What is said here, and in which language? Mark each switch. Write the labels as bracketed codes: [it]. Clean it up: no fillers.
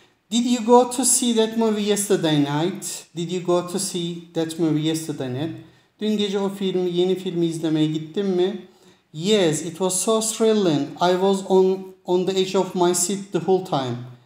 [en] Did you go to see that movie yesterday night? Did you go to see that movie yesterday night? [tr] Dün gece o filmi, yeni filmi izlemeye gittin mi? [en] Yes, it was so thrilling. I was on the edge of my seat the whole time.